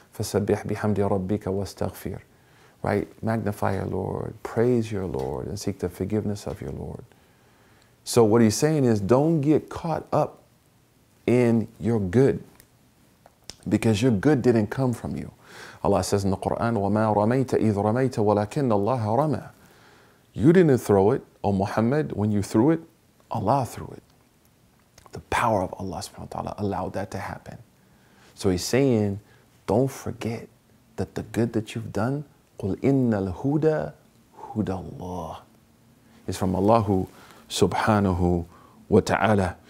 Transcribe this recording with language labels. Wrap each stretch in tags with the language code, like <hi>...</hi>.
<ar>فَسَبِّحْ بِحَمْدِ رَبِّكَ وَاسْتَغْفِرْ.</ar> <en>Right? Magnify your Lord, praise your Lord, and seek the forgiveness of your Lord. So what he's saying is don't get caught up in your good, because your good didn't come from you. Allah says in the Quran,</en> <ar>وَمَا رَمَيْتَ إِذْ رَمَيْتَ وَلَكِنَّ اللَّهَ رَمَى.</ar> <en>You didn't throw it, O Muhammad, when you threw it, Allah threw it. The power of Allah subhanahu wa ta'ala allowed that to happen. So he's saying, don't forget that the good that you've done,</en> <ar>قُلْ إِنَّ الْهُدَى هُدَى اللَّهِ,</ar> <en>is from Allah subhanahu wa ta'ala.</en>